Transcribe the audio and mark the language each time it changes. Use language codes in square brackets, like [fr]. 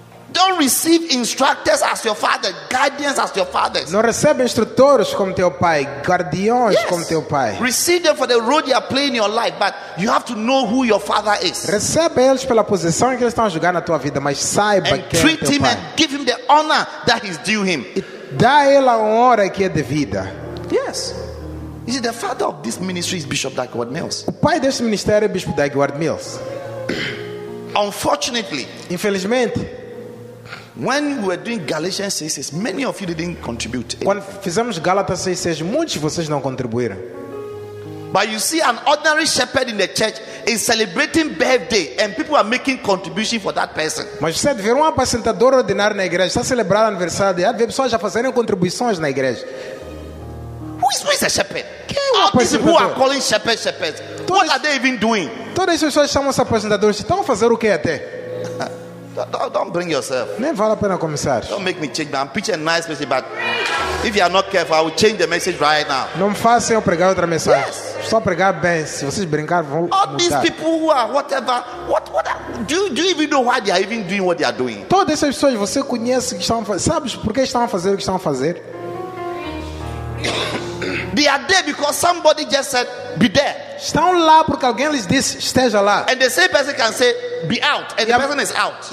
[en] Don't receive instructors as your father, guardians as your fathers. [pt] Não recebe instrutores como teu pai, guardiões [en] yes. [pt] como teu pai. [en] Receive them for the role you are playing in your life, but you have to know who your father is. [pt] Recebe eles pela posição que eles estão a jogar na tua vida, mas saiba [en] and [pt] quem é teu pai. [en] Treat him [pt] pai. [en] And give him the honor that is due him. [pt] E dá a ele a honra que é devida. [en] Yes. You see, the father of this ministry is Bishop Dagwood Mills. [pt] O pai deste ministério é Bishop Dagwood Mills. [en] Unfortunately, [pt] infelizmente, [en] when we were doing Galatians 6:6, many of you didn't contribute. [pt] Quando fizemos Gálatas 6:6, muitos de vocês não contribuíram. [en] But you see, an ordinary shepherd in the church is celebrating birthday, and people are making contribution for that person. [pt] Mas você vê um apacentador ordinário na igreja está celebrando aniversário e há pessoas já fazendo contribuições na igreja. [en] Who is a shepherd? [pt] Quem é [en] all these people who are calling shepherds shepherds. [pt] Todas, [en] what are they even doing? [pt] Todas essas pessoas chamam-se apacentadores. Estão a fazer o quê até? [en] Don't bring yourself. [pt] Nem vale a pena começar. [en] Don't make me change. I'm preaching a nice message, but if you are not careful, I will change the message right now. [pt] Não me façam eu pregar outra mensagem. [en] Yes. [pt] Só pregar bem. Se vocês brincar, vão [en] all [pt] mudar. [en] All these people who are whatever. What are, do you even know why they are even doing what they are doing? [pt] Todas essas pessoas você conhece que estão a fazer. Sabes por que estão a fazer o que estão a fazer? [en] They are there because somebody just said, "Be there." [pt] Estão lá porque alguém lhes disse, esteja lá. [en] And the same person can say, "Be out," and the person is out.